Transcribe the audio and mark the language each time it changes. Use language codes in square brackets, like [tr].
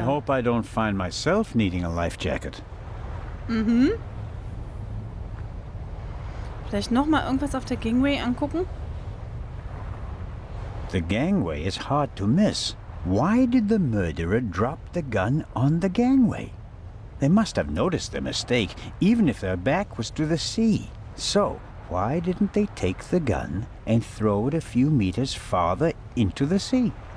[en] I hope I don't find myself needing a life jacket. Mhm. [de] Vielleicht noch mal irgendwas auf der Gangway angucken? [en] The gangway is hard to miss. Why did the murderer drop the gun on the gangway? They must have noticed their mistake, even if their back was to the sea. So, why didn't they take the gun and throw it a few meters farther into the sea?